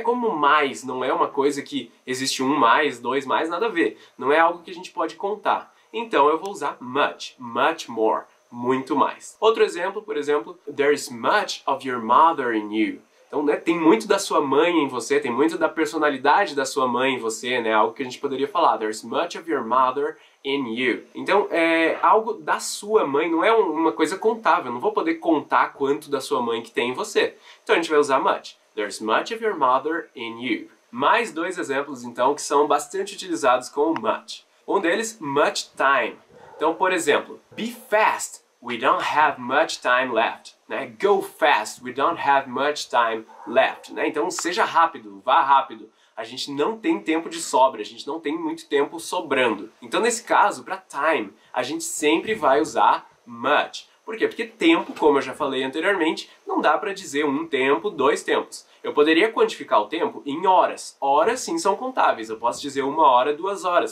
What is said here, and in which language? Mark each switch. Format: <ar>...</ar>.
<pt>Como mais não é uma coisa que existe um mais, dois mais, nada a ver. Não é algo que a gente pode contar. Então, eu vou usar much, much more, muito mais. Outro exemplo, por exemplo,</pt> <en>there's much of your mother in you.</en> <pt>Então, né, tem muito da sua mãe em você, tem muito da personalidade da sua mãe em você, né? Algo que a gente poderia falar.</pt> <en>There's much of your mother in you.</en> <pt>Então, é algo da sua mãe, não é uma coisa contável. Não vou poder contar quanto da sua mãe que tem em você. Então, a gente vai usar much.</pt> <en>There's much of your mother in you.</en> <pt>Mais dois exemplos, então, que são bastante utilizados com o much. Um deles, much time. Então, por exemplo,</pt> <en>be fast. We don't have much time left. Né? Go fast, we don't have much time left.</en> <pt>Né? Então seja rápido, vá rápido. A gente não tem tempo de sobra, a gente não tem muito tempo sobrando. Então nesse caso, para time, a gente sempre vai usar much. Por quê? Porque tempo, como eu já falei anteriormente, não dá para dizer um tempo, dois tempos. Eu poderia quantificar o tempo em horas. Horas sim são contáveis, eu posso dizer uma hora, duas horas.</pt>